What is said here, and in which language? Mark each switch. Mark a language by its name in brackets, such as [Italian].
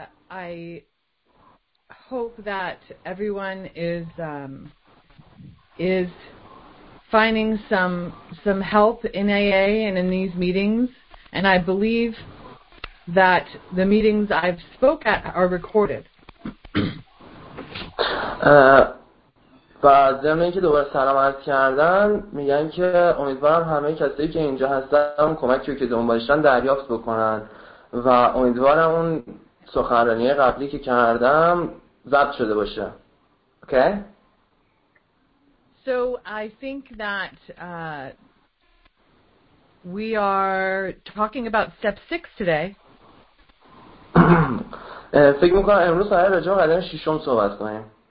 [English] I hope that everyone is finding some help in AA and in these meetings, and I believe that the meetings I've spoke at are recorded. [Persian] بعد ضمن اینکه دوباره سلام عرض کردن، میگن که امیدوارم همه کسایی که اینجا هستن کمکی رو که دنبالشن دریافت بکنن و امیدوارم اون سخنرانی قبلی که کردم ضبط شده باشه. [English] Okay? So I think that we are talking about step 6 today. [Persian] فکر میکنم امروز قرار راجع به قدم 6 صحبت کنیم.